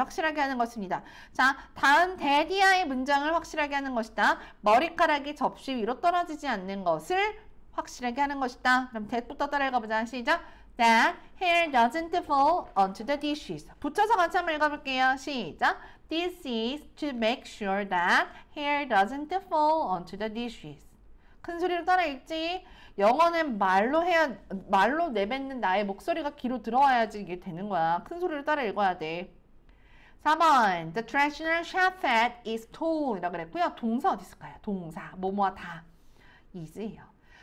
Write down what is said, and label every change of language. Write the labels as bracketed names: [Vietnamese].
[Korean] 확실하게 하는 것입니다. 자, 다음 대디아의 문장을 확실하게 하는 것이다. 머리카락이 접시 위로 떨어지지 않는 것을 확실하게 하는 것이다. 그럼 대부터 따라 읽어보자. [English] 시작! That hair doesn't fall onto the dishes. [Korean] 붙여서 같이 한번 읽어볼게요. 시작! [English] This is to make sure that hair doesn't fall onto the dishes. [Korean] 큰 소리로 따라 읽지? 영어는 말로 해야, 말로 내뱉는 나의 목소리가 귀로 들어와야지 이게 되는 거야. 큰 소리로 따라 읽어야 돼. 4번. [English] The traditional chef hat is torn. [Korean] 이라고 그랬고요. 동사 어디 있을까요? 동사. 뭐뭐 다. is요.